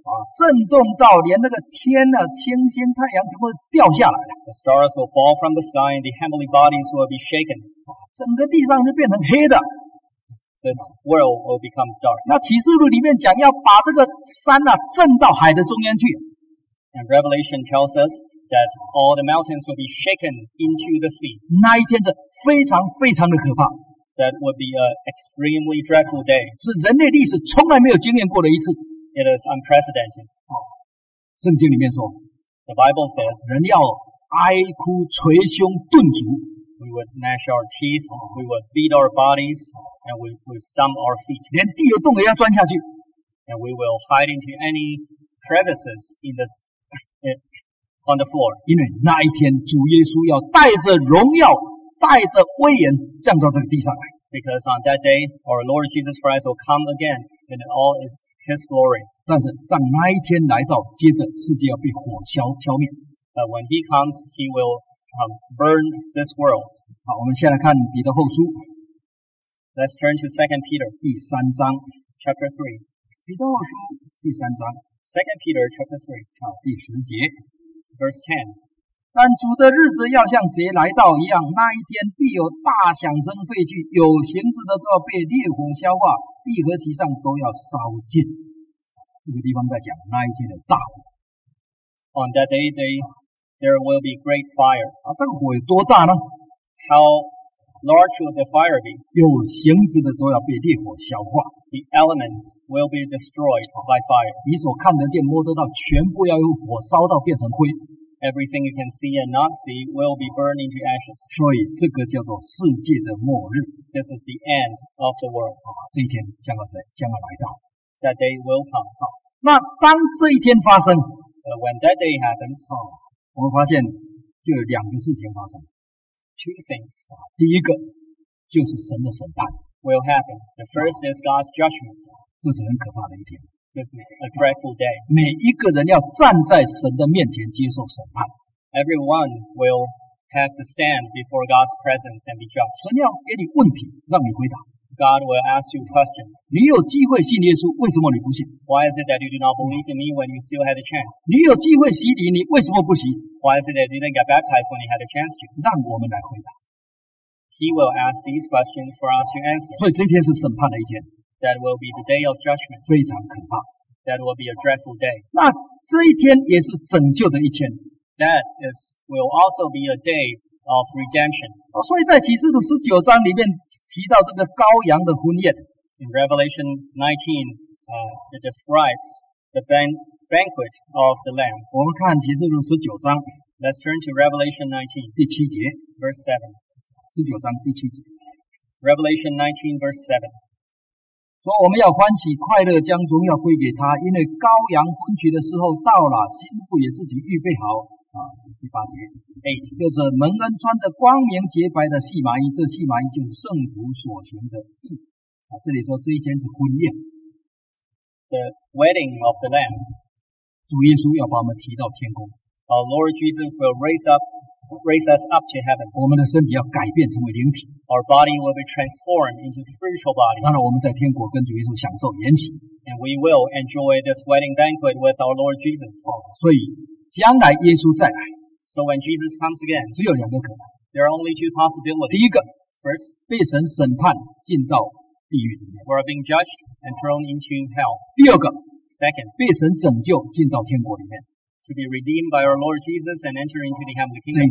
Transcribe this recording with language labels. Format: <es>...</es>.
<zh>啊、震动到连那个天啊星星太阳全部掉下来</zh> <en>The stars will fall from the sky and the heavenly bodies will be shaken、</en> <zh>啊、整个地上就变成黑的</zh> <en>This world will become dark</en> <zh>那启示录里面讲要把这个山啊震到海的中央去</zh> <en>And Revelation tells us that all the mountains will be shaken into the sea</en> <zh>那一天是非常非常的可怕</zh> <en>That would be an extremely dreadful day.</en> <zh>是人类历史从来没有经验过的一次。</zh> <en>It is unprecedented.、</en> <zh>哦、圣经里面说</zh> <en>The Bible says,</en> <zh>人要哀哭捶胸顿足。</zh> <en>We would gnash our teeth,、哦、we would beat our bodies,、哦、and we would stomp our feet.</en> <zh>连地有洞也要钻下去。</zh> <en>And we will hide into any crevices in this, on the floor.</en> <zh>因为那一天主耶稣要带着荣耀带着威严降到这个地上来</zh> <en>Because on that day, our Lord Jesus Christ will come again in all his glory.</en> <zh>但是当那一天来到接着世界要被火消消灭</zh> <en>But when he comes, he will burn this world.</en> <zh>好我们先来看彼得后书</zh> <en>Let's turn to 2 Peter.</en> <zh>第三章</zh> <en>Chapter 3.</en> <zh>彼得后书第三章</zh> <en>2 Peter chapter 3.</en> <zh>好第十节</zh> <en>Verse 10.</en> <zh>但主的日子要像贼来到一样那一天必有大响声废去有行之的都要被烈火消化地和其上都要烧尽这个地方在讲那一天的大火</zh> <en>On that day there will be great fire、</en> <zh>啊、这个火有多大呢</zh> <en>How large will the fire be</en> <zh>有行之的都要被烈火消化</zh> <en>The elements will be destroyed by fire</en> <zh>你所看得见摸得到全部要用火烧到变成灰</zh> <en>Everything you can see and not see will be burned into ashes.</en> <zh>所以这个叫做世界的末日。</zh> <en>This is the end of the world.、</en> <zh>啊、这一天将要来到。</zh> <en>That day will come.、</en> <zh>啊、那当这一天发生</zh> <en>When that day happens,、</en> <zh>啊、我们发现就有两个事情发生。</zh> <en>Two things.、</en> <zh>啊、第一个就是神的审判。</zh> <en>Will happen. The first is God's judgment.</en> <zh>这是很可怕的一天。</zh> <en>This is a dreadful day.</en> <zh>每一个人要站在神的面前接受审判。</zh> <en>Everyone will have to stand before God's presence and be judged.</en> <zh>神要给你问题，让你回答。</zh> <en>God will ask you questions.</en> <zh>你有机会信耶稣，为什么你不信？</zh> <en>Why is it that you do not believe in me when you still had a chance?</en> <zh>你有机会洗礼，你为什么不洗？</zh> <en>Why is it that you didn't get baptized when you had a chance to?</en> <zh>让我们来回答。</zh> <en>He will ask these questions for us to answer.</en> <zh>所以这天是审判的一天。</zh> <en>That will be the day of judgment.</en> <zh>非常可怕。</zh> <en>That will be a dreadful day.</en> <zh>那这一天也是拯救的一天。</zh> <en>That is, will also be a day of redemption.、</en> <zh>哦、所以在启示录19章里面提到这个羔羊的婚宴。</zh> <en>In Revelation 19,、it describes the banquet of the Lamb.</en> <zh>我们看启示录19章。</zh> <en>Let's turn to Revelation 19.</en> <zh>第七节。</zh> <en>Verse 7.</en> <zh>19章第七节。</zh> <en>Revelation 19 verse 7.</en> <zh>说我们要欢喜快乐将荣耀归给他因为羔羊婚娶的时候到了心腹也自己预备好、啊、第八节</zh> <en>8.</en> <zh>就是蒙恩穿着光明洁白的细麻衣这细麻衣就是圣徒所行的义、啊、这里说这一天是婚宴</zh> <en>The wedding of the Lamb</en> <zh>主耶稣要把我们提到天空</zh> <en>Our Lord Jesus will raise us up to heaven.</en> <zh>我们的身体要改变成为灵体。</zh> <en>Our body will be transformed into spiritual bodies.</en> <zh>当然我们在天国跟主耶稣享受筵席。</zh> <en>And we will enjoy this wedding banquet with our Lord Jesus.、</en> <zh>哦、所以将来耶稣再来。</zh> <en>So when Jesus comes again,</en> <zh>只有两个可能。</zh> <en>There are only two possibilities.</en> <zh>第一个</zh> <en>First,</en> <zh>被神审判进到地狱里面。</zh> <en>We are being judged and thrown into hell.</en> <zh>第二个</zh> <en>Second,</en> <zh>被神拯救进到天国里面。</zh> <en>To be redeemed by our Lord Jesus and enter into the heavenly kingdom.</en>